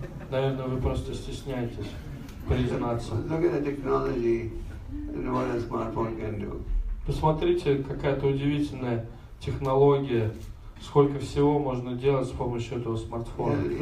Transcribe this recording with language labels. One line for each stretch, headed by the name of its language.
Russian: Наверное, вы просто стесняетесь признаться.
English: Look at the technology and what a smartphone can do.
Russian: Посмотрите, какая-то удивительная технология, сколько всего можно делать с помощью этого смартфона.